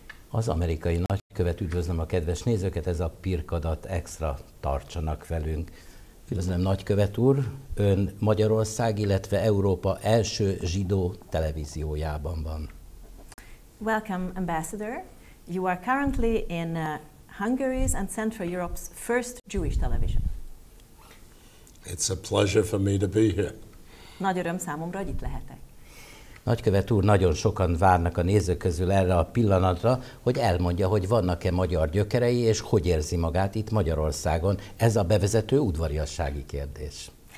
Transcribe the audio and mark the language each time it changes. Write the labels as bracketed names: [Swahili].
[Hungarian] Az amerikai nagykövet, üdvözlöm a kedves nézőket, ez a Pirkadat extra, tartsanak velünk. Üdvözlöm, nagykövet úr, ön Magyarország, illetve Európa első zsidó televíziójában van. [English] Welcome, Ambassador. You are currently in Hungary's and Central Europe's first Jewish television. It's a pleasure for me to be here. [Hungarian] Nagy öröm számomra, hogy itt lehetek. Nagykövet úr, nagyon sokan várnak a nézők közül erre a pillanatra, hogy elmondja, hogy vannak-e magyar gyökerei, és hogy érzi magát itt Magyarországon. Ez a bevezető udvariassági kérdés.